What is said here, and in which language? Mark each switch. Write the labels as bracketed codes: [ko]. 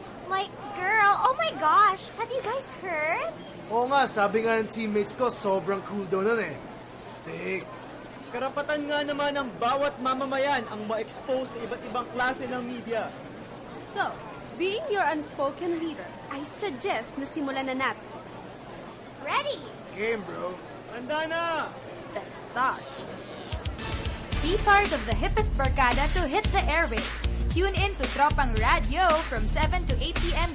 [en] My girl, oh my gosh, have you guys heard? [tl] Oo nga, sabi nga ng teammates ko, sobrang cool daw nun eh. Stick. Karapatan nga naman ng bawat mamamayan ang ma-expose sa iba't ibang klase ng media. [en] So, being your unspoken leader, I suggest [tl] na simulan na natin. [en] Ready? Game, bro. [tl] Handa na! [en] Let's start. Be part of the hippest barkada to hit the airwaves. Tune in to Tropang Radio from 7 to 8 p.m.